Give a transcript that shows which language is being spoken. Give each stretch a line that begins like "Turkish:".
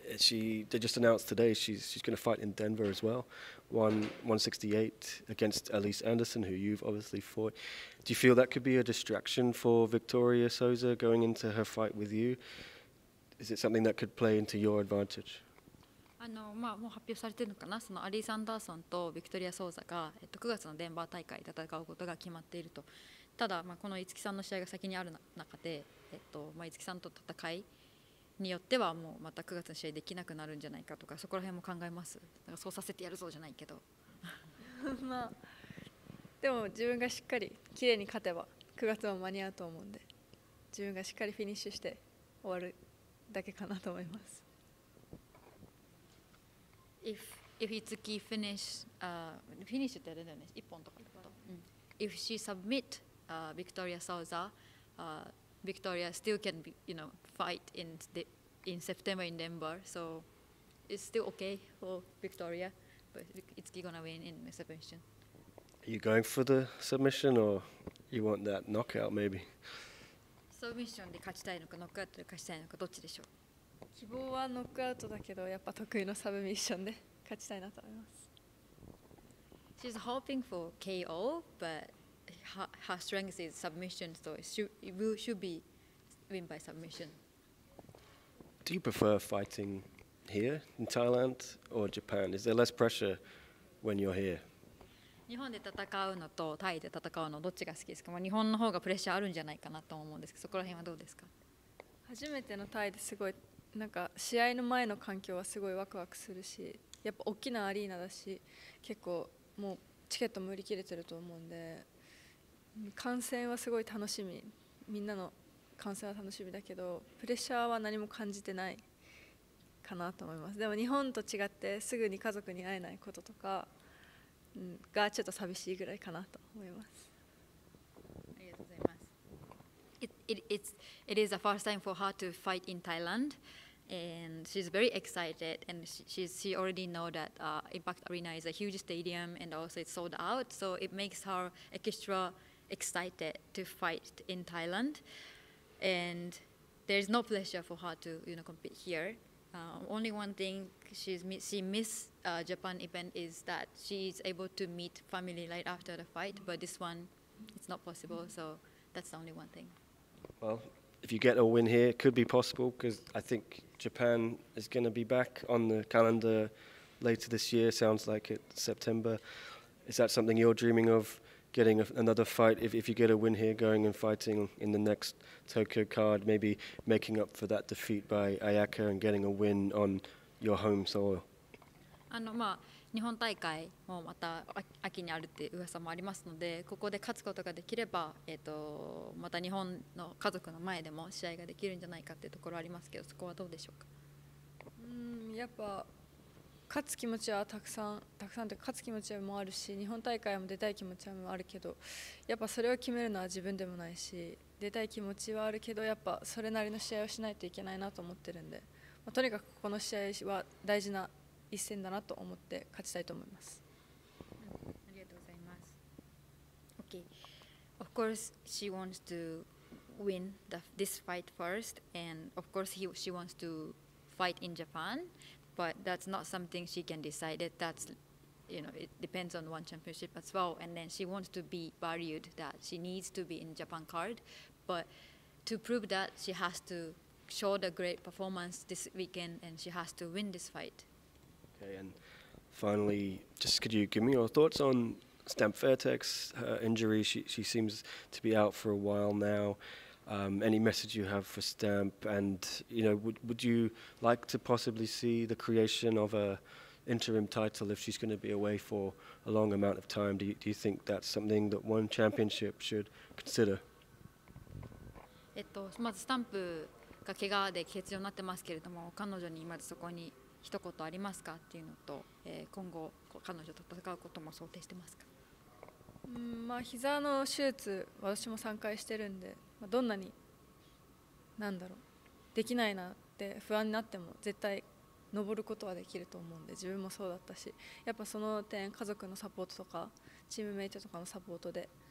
English: They just announced today she's going to fight in Denver as well, 168 against Elise Anderson, who you've obviously fought. Do you feel that could be a distraction for Victoria Soza going into her fight with you? Is it something that could play into your advantage?
Japanese: もう発表されてるのかな、そのアリス・アンダーソンとヴィクトリア・ソーザが、9月のデンバー大会で戦うことが決まっていると。ただ、この五木さんの試合が先にある中で、五木さんと戦いによってはもうまた9月の試合できなくなるんじゃないかとか、そこら辺も考えます。だからそうさせてやるぞじゃないけど、まあ、でも自分がしっかり綺麗に勝てば9月も間に合うと思うんで、自分がしっかりフィニッシュして終わるだけかなと思います。
English: If Itsuki finish
Japanese: ってあれだよね、1本とかだと、
English: If she submit Victoria SouzaVictoria still can be, you know, fight in September in Denver, so it's still okay for Victoria, but it's going to win in the submission. Are you going for the submission or you want that knockout maybe?
Japanese: Submission で勝ちたいのかノックアウトで勝ちたいのかどっちでしょう？希望はノックアウトだけど、やっぱ得意のサブミッションで勝ちたいなと思います。
English: She's hoping for KO, but... Her strength is submission, so it should be win by submission. Do you prefer fighting here in Thailand or Japan? Is there less pressure when you're here?
Japanese: 日本で戦うのとタイで戦うのどっちが好きですか？日本の方がプレッシャーあるんじゃないかなと思うんですけど、そこら辺はどうですか？初めてのタイですごい、なんか試合の前の環境はすごいワクワクするし、やっぱ大きなアリーナだし、結構もうチケットも売り切れてると思うんで、観戦はすごい楽しみ、みんなの観戦は楽しみだけど、プレッシャーは何も感じてないかなと思います。でも日本と違ってすぐに家族に会えないこととかがちょっと寂しいぐらいかなと思います。ありがとうございます。
English: It is the first time for her to fight in Thailand and she's very excited and she already know that Impact Arena is a huge stadium and also it's sold out, so it makes her extraExcited to fight in Thailand, and there's no pressure for her to, you know, compete here. Only one thing she missed Japan event is that she is able to meet family right after the fight, but this one, it's not possible. So that's the only one thing. Well, if you get a win here, it could be possible because I think Japan is going to be back on the calendar later this year. Sounds like it, September. Is that something you're dreaming of, getting another fight? If you get a win here, going and fighting in the next Tokyo card, maybe making up for that defeat by Ayaka and getting a win on your home soil?
Japanese: 日本大会もまた秋にあるって噂もありますので、ここで勝つことができれば、また日本の家族の前でも試合ができるんじゃないかっていうところありますけど、そこはどうでしょうか。やっぱ勝つ気持ちはたくさんって勝つ気持ちもあるし、日本大会も出たい気持ちもあるけど、やっぱそれを決めるのは自分でもないし、出たい気持ちはあるけど、やっぱそれなりの試合をしないといけないなと思ってるんで、まあ、とにかくこの試合は大事な一戦だなと思って勝ちたいと思います。ありがとうございます。
English: Okay. Of course, she wants to win this fight first, and of course, she wants to fight in Japan. But that's not something she can decide. That's, you know, it depends on one championship as well. And then she wants to be valued. That she needs to be in Japan card. But to prove that, she has to show the great performance this weekend, and she has to win this fight. And finally, just could you give me your thoughts on Stamp Fairtex, her injury? She seems to be out for a while now. Any message you have for Stamp? And, you know, would you like to possibly see the creation of an interim title if she's going to be away for a long amount of time? Do you think that's something that one championship should consider?
Japanese: Stamp が怪我で欠場になってますけれども、彼女にまずそこに一言ありますかっていうのと、今後彼女と戦うことも想定してますか。まあ膝の手術私も3回してるんで、まあ、どんなになんだろうできないなって不安になっても絶対登ることはできると思うんで、自分もそうだったし、やっぱその点家族のサポートとかチームメイトとかのサポートで